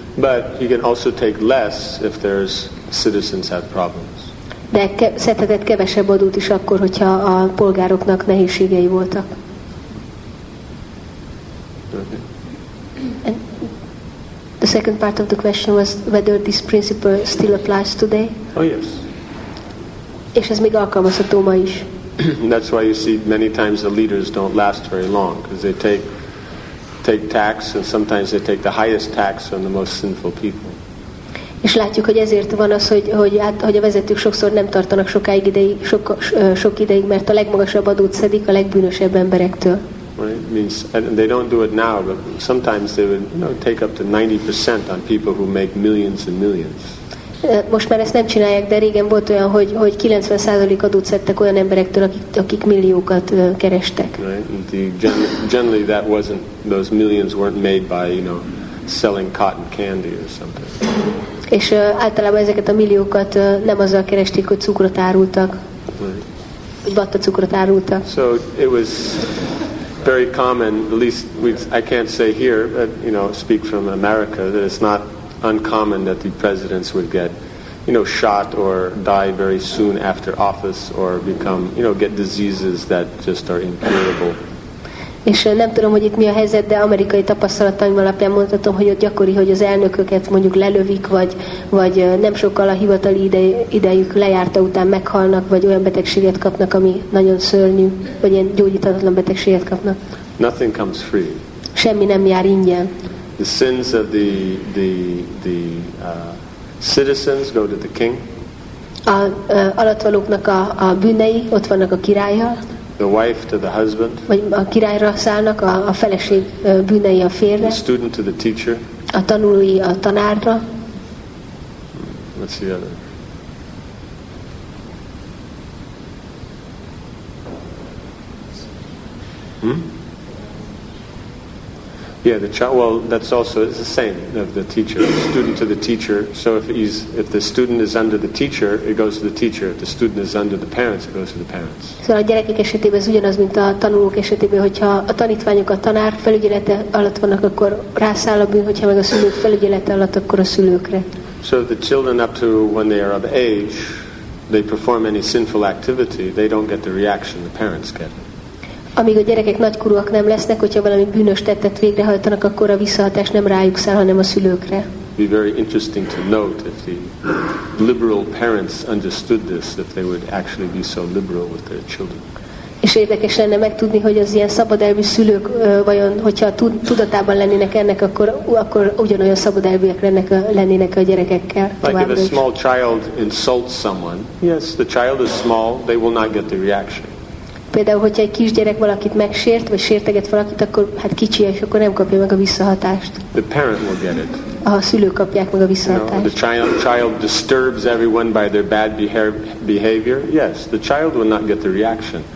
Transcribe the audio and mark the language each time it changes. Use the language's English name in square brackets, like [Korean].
[English] But he can also take less if there's citizens have problems. [Hungarian] De szedhetett kevesebb adót is akkor, hogyha a polgároknak nehézségei voltak. [English] Okay. And the second part of the question was whether this principle still applies today. Oh yes. [Hungarian] És ez még alkalmazható ma is. [English] That's why you see many times the leaders don't last very long, because they take tax, and sometimes they take the highest tax on the most sinful people. [Hungarian] És látjuk, hogy ezért van az, hogy a vezetők sokszor nem tartanak sokáig ideig, sok ideig, mert a legmagasabb adót szedik a legbűnösebb emberektől. [English] Right? Means, and they don't do it now, but sometimes they would, you know, take up to 90% on people who make millions and millions. [Hungarian] Most már ezt nem csinálják, de régen volt olyan, hogy 90% adót szedtek olyan emberektől, akik milliókat kerestek. [English] Right? Generally that wasn't, those millions weren't made by, you know, selling cotton candy or something. [Hungarian] És általában ezeket a milliókat nem azzal keresték, hogy cukrot árultak. [English] Right. [Hungarian] Hogy batta cukrot árultak. [English] So it was very common, at least I can't say here, but, you know, speak from America, that it's not uncommon that the presidents would get, you know, shot or die very soon after office, or become, you know, get diseases that just are incurable. [Hungarian] És nem tudom, hogy itt mi a helyzet, de amerikai tapasztalataim alapján mondhatom, hogy ott gyakori, hogy az elnököket mondjuk lelövik, vagy nem sokkal a hivatali idejük lejárta után meghalnak, vagy olyan betegséget kapnak, ami nagyon szörnyű, vagy ilyen gyógyíthatatlan betegséget kapnak. [English] Nothing comes free. [Hungarian] Semmi nem jár ingyen. [English] The sins of the citizens go to the king. [Hungarian] Alattvalóknak a bűnei ott vannak a királlyal. [English] The wife to the husband. [Hungarian] Vagy a királyra szállnak a feleség bűnei a férre. [English] The student to the teacher. [Hungarian] A tanulói a tanárra. [English] What's the other? Yeah, the child. Well, that's also it's the same of the teacher, the student to the teacher. So if the student is under the teacher, it goes to the teacher. If the student is under the parents, it goes to the parents. [Hungarian] So a gyerekek esetében ez ugyanaz, mint a tanulók esetében, hogyha a tanítványok a tanár felügyelete alatt vannak, akkor rászáll a bűn, hogyha meg a szülők felügyelete alatt, akkor a szülőkre. [English] So the children up to when they are of age, they perform any sinful activity, they don't get the reaction the parents get. [Hungarian] Amíg a gyerekek nagykorúak nem lesznek, hogyha valami bűnös tettet végrehajtanak, akkor a visszahatás nem rájuk száll, hanem a szülőkre. [English] It'd be very interesting to note if the liberal parents understood this, that they would actually be so liberal with their children. [Hungarian] És érdekes lenne megtudni, hogy az ilyen szabadelvű szülők vajon, hogyha tudatában lennének ennek, akkor ugyanolyan szabadelvűek lennének a gyerekekkel. [English] Like if a small child insults someone, yes, the child is small, they will not get the reaction. [Hungarian] Például, hogyha egy kisgyerek valakit megsért, vagy sérteget valakit, akkor hát kicsi, és akkor nem kapja meg a visszahatást. [English] The parent will get it. [Hungarian] A szülők kapják meg a visszahatást. [English] You know, the child disturbs everyone by their bad behavior. Yes, the child will not get the reaction.